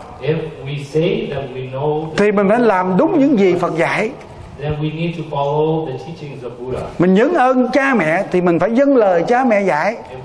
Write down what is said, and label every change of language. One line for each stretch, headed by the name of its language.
English: if we say that we know that,
Vietnamese: thì mình phải làm đúng những gì Phật dạy.
English: Then we need to follow the teachings of Buddha.
Vietnamese: Mình nhớ ơn cha mẹ thì mình phải vâng lời cha mẹ dạy.